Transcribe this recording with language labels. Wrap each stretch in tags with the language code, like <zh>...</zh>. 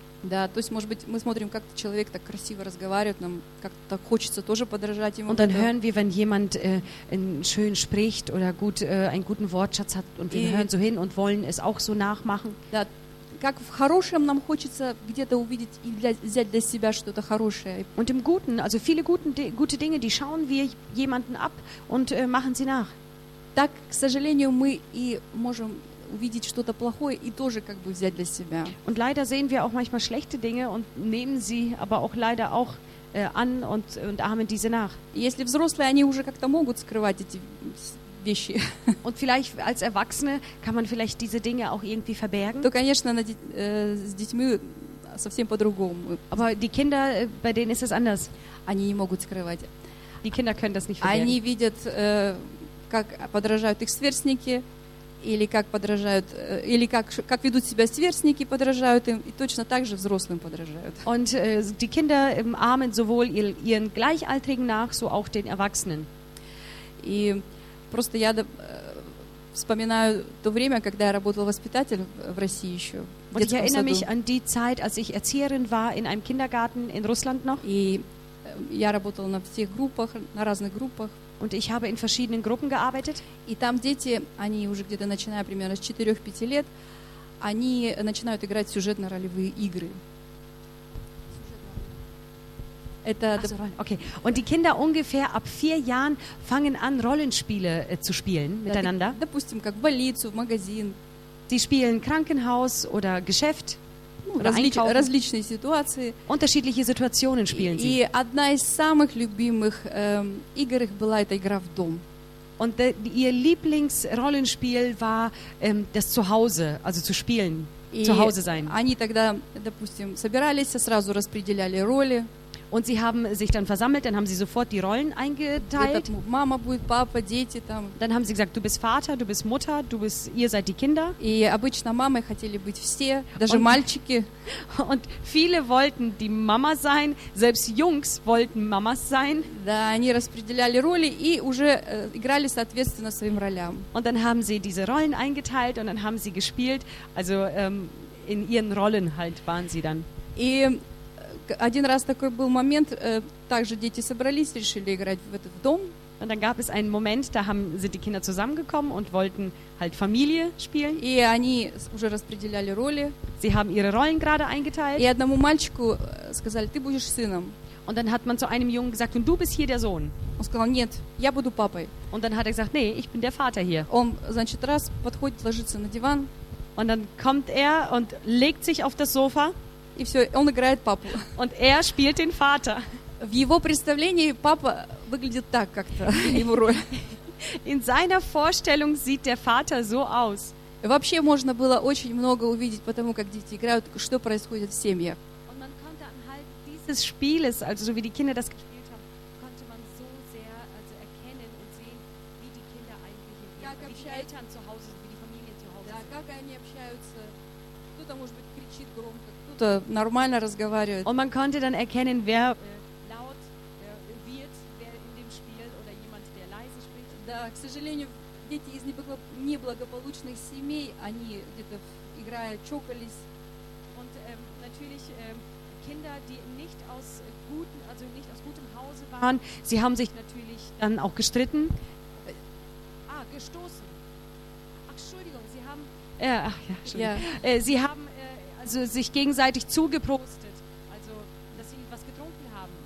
<ru>Да, то есть, может быть, мы смотрим, как человек так красиво разговаривает, нам как-то хочется тоже подражать ему.</ru> <de>Und dann hören wir, wenn jemand schön spricht oder gut einen guten Wortschatz hat und wir hören so hin und wollen es auch so nachmachen.</de> <ru>Да, как в хорошем нам хочется где-то увидеть и взять для себя что-то хорошее.</ru> <de>Und im Guten, also viele gute Dinge, die schauen wir jemanden ab und machen sie nach.</de> <ru>Так, к сожалению, мы и можем увидеть что-то плохое и тоже как бы взять для себя.</ru> <de>Und leider sehen wir auch manchmal schlechte Dinge und nehmen sie aber auch leider auch an und ahmen diese nach.</de> <ru>Если взрослые, они уже как-то могут скрывать эти вещи.</ru> <de>Und vielleicht als Erwachsene kann man vielleicht diese Dinge auch irgendwie verbergen.</de> <ru>То, конечно, с детьми совсем по-другому.</ru> <de>Aber die Kinder, bei denen ist es anders.</de> <ru>Они не могут скрывать.</ru> <de>Die Kinder können das nicht verbergen.</de> <ru>Они видят, как подражают их сверстники. Или как подражают, или как ведут себя сверстники, подражают им, и точно так же взрослым подражают.</ru> <de>Und die Kinder ahmen sowohl ihren Gleichaltrigen nach, so auch den Erwachsenen.</de> <ru>И просто я вспоминаю то время, когда я работала воспитателем в России еще.</ru> <de>Und ich erinnere mich an die Zeit, als ich Erzieherin war in einem Kindergarten in Russland noch.</de> <ru>И я работала на всех группах, на разных группах.</ru> <de>Und ich habe in verschiedenen Gruppen gearbeitet.</de> <ru>И там дети, они уже где-то начиная примерно с 4-5 лет, они начинают играть сюжетно-ролевые игры. Это okay.</ru> <de>Und die Kinder ungefähr ab 4 Jahren fangen an Rollenspiele zu spielen miteinander.</de> <ru>Допустим, как в больницу, в магазин.</ru> <de>Sie spielen Krankenhaus oder Geschäft.</de> <ru>Различные ситуации.</ru> <de>Unterschiedliche Situationen spielen sie.</de> <ru>И одна из самых любимых игр их была эта игра в дом.</ru> <de>Und ihr Lieblingsrollenspiel war das Zuhause, also zu spielen, zu Hause sein.</de> <ru>Они тогда, допустим, собирались, сразу распределяли роли.</ru> <de>Und sie haben sich dann versammelt, dann haben sie sofort die Rollen eingeteilt.</de> <ru>Mama будет, Papa, дети там.</ru> <de>Dann haben sie gesagt, du bist Vater, du bist Mutter, du bist, ihr seid die Kinder.</de> <ru>И обычно мамы хотели быть все, даже мальчики.</ru> <de>Und viele wollten die Mama sein, selbst Jungs wollten Mamas sein.</de> <ru>Да, они распределяли роли и уже играли соответственно своим ролям.</ru> <de>Und dann haben sie diese Rollen eingeteilt und dann haben sie gespielt, also in ihren Rollen halt waren sie dann.</de> <ru>И один раз такой был момент, также дети собрались, решили играть в этот дом.</ru> <de>Und dann gab es einen Moment, da sind die Kinder zusammengekommen und wollten halt Familie spielen.</de> <ru>И они уже распределяли роли.</ru> <de>Sie haben ihre Rollen gerade eingeteilt.</de> <ru>И одному мальчику сказали, ты будешь сыном.</ru> <de>Und dann hat man zu einem Jungen gesagt, und du bist hier der Sohn.</de> <ru>Он сказал, нет, я буду папой.</ru> <de>Und dann hat gesagt, nee, ich bin der Vater hier.</de> <ru>Он, значит, раз подходит, ложится на диван.</ru> <de>Und dann kommt und legt sich auf das Sofa.</de> <ru>И все, он играет папу.</ru> <de>Und spielt den Vater.</de> <ru>В его представлении папа выглядит так как-то, его роль.</ru> <de>In seiner Vorstellung sieht der Vater so aus.</de> <ru>Вообще можно было очень много увидеть по тому, как дети играют, что происходит в семье.</ru> <de>Und man konnte anhand dieses Spieles, also so wie die Kinder das gespielt haben, konnte man so sehr also erkennen und sehen, wie die Kinder eigentlich, wie die Eltern zu Hause, wie die Familie zu Hause.</de> <ru>Да, как они общаются, кто-то, может быть, кричит громко, кто-то нормально разговаривает.</ru> <de>Und man konnte dann erkennen, wer laut wird, wer in dem Spiel oder jemand, der leise spricht.</de> <ru>Да, к сожалению, дети из неблагополучных семей, они где-то играя чокались.</ru> <de>Und natürlich Kinder, die nicht aus guten, also nicht aus gutem Hause waren, sie haben sich natürlich dann auch gestritten. Gestoßen. Ach, Entschuldigung, sie haben sie haben also sich gegenseitig zugeprostet, also dass sie was getrunken haben.</de>